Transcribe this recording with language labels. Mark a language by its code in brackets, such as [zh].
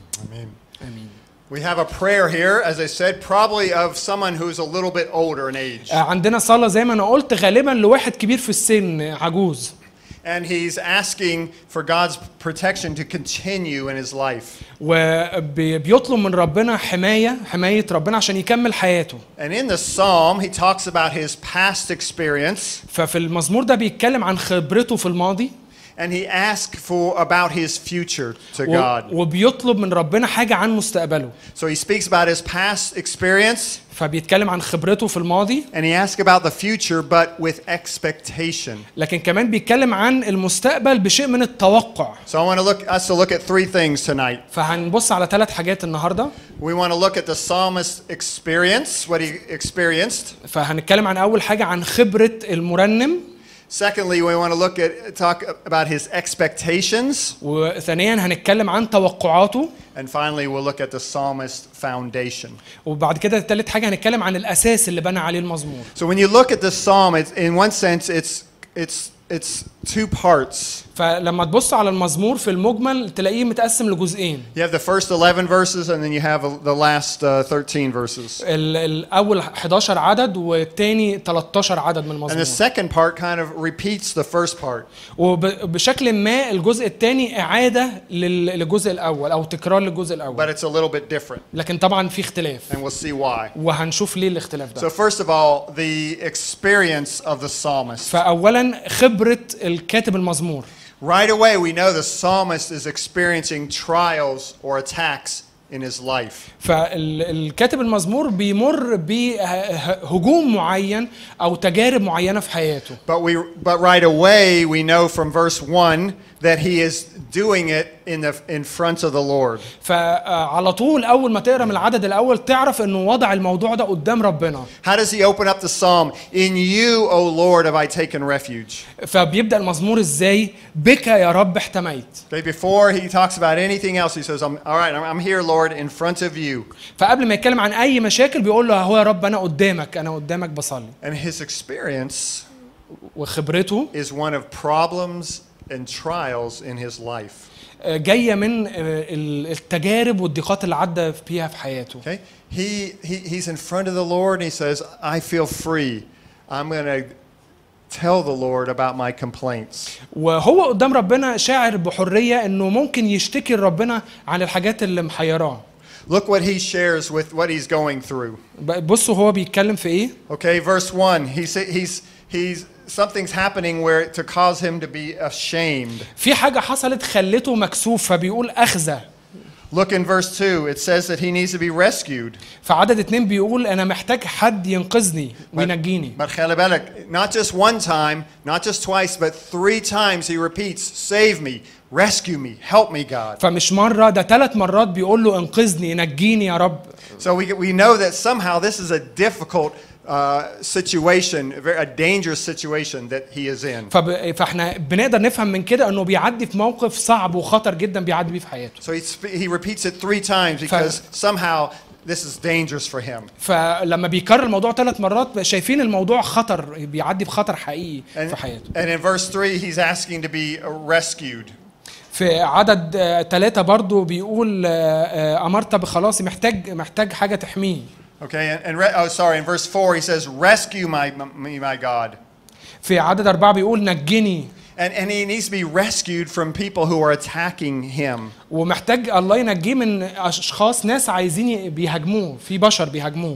[en] آمين. We have a prayer here, as I said, probably of someone who's a little bit older in age. [ar] عندنا صلاة زي ما أنا قلت غالباً لواحد كبير في السن عجوز. [en] And he's asking for God's protection to continue in his life. [ar] وبيطلب من ربنا حماية ربنا عشان يكمل حياته. [en] And in the psalm, he talks about his past experience. [ar] ففي المزمور ده بيتكلم عن خبرته في الماضي. [en] and he asks for about his future to God. [ar] وبيطلب من ربنا حاجة عن مستقبله. [en] So he speaks about his past experience. [ar] فبيتكلم عن خبرته في الماضي. [en] And he asks about the future, but with expectation. [ar] لكن كمان بيتكلم عن المستقبل بشيء من التوقع. [en] So I want to look us to look at three things tonight. [ar] فهنبص على ثلاث حاجات النهاردة. [en] We want to look at the psalmist's experience, what he experienced. [ar] فهنتكلم عن أول حاجة عن خبرة المرنم. [en] Secondly, we want to look at talk about his expectations. [ar] وثانياً هنتكلم عن توقعاته. [en] And finally, we'll look at the psalmist's foundation. [ar] وبعد كده الثالث حاجة هنتكلم عن الأساس اللي بنى عليه المزمور. [en] So when you look at the psalm, in one sense, it's two parts. [ar] فلما تبص على المزمور في المجمل تلاقيه متقسم لجزئين. [en] You have the first 11 verses and then you have the last 13 verses. [ar] الأول 11 عدد والثاني 13 عدد من المزمور. [en] And the second part kind of repeats the first part. [ar] وبشكل ما الجزء الثاني إعادة للجزء الأول أو تكرار للجزء الأول. [en] But it's a little bit different. [ar] لكن طبعا في اختلاف. [en] And we'll see why. [ar] وهنشوف ليه الاختلاف ده. [en] So first of all, the experience of the psalmist. [ar] فأولا خبرة الكاتب المزمور. [en] Right away, we know the psalmist is experiencing trials or attacks in his life. [ar] فالكاتب المزمور بيمر بهجوم معين أو تجارب معينة في حياته. [en] But right away, we know from verse 1 that he is doing it in front of the Lord. [ar] فعلى طول أول ما تقرأ من العدد الأول تعرف إنه وضع الموضوع ده قدام ربنا. [en] How does he open up the psalm? In you, O Lord, have I taken refuge. [ar] فبيبدأ المزمور إزاي؟ بك يا رب احتميت. [en] Okay, before he talks about anything else, he says, "All right, I'm here, Lord, in front of you." [ar] فقبل ما يتكلم عن أي مشاكل بيقول له هو يا رب أنا قدامك أنا قدامك بصلي. [en] And his experience [ar] وخبرته [en] is one of problems and trials in his life. [ar] جاية من التجارب والضيقات اللي عدى فيها في حياته. [en] Okay. He's in front of the Lord and he says, I feel free. I'm going to tell the Lord about my complaints. [ar] وهو قدام ربنا شاعر بحرية انه ممكن يشتكي ربنا عن الحاجات اللي محيراه. [en] Look what he shares with what he's going through. [ar] بصوا هو بيتكلم في ايه؟ [en] Okay, verse 1. He's something's happening where to cause him to be ashamed. [ar] في حاجة حصلت خلته مكسوف فبيقول أخزى. [en] Look in verse 2. It says that he needs to be rescued. [ar] فعدد 2 بيقول أنا محتاج حد ينقذني وينجيني. [en] But [ar] خلي بالك, [en] not just one time, not just twice, but three times he repeats, save me, rescue me, help me, God. [ar] فمش مرة ده ثلاث مرات بيقول له انقذني نجيني يا رب. [en] So we know that somehow this is a difficult situation, a dangerous situation that he is in. [ar] فاحنا بنقدر نفهم من كده انه بيعدي في موقف صعب وخطر جدا بيعدي بيه في حياته. [en] So he repeats it three times because somehow this is dangerous for him. [ar] فلما بيكرر الموضوع ثلاث مرات شايفين الموضوع خطر بيعدي بخطر حقيقي في حياته. [en] And in verse 3 he's asking to be rescued. [ar] في عدد 3 برضه بيقول امرت بخلاصي محتاج حاجه تحميه. [en] Okay, in verse 4 he says, rescue my God. [ar] في عدد 4 بيقول نجني. [en] And he needs to be rescued from people who are attacking him. [ar] ومحتاج الله ينجيه من أشخاص ناس عايزين بيهاجموه في بشر بيهاجموه.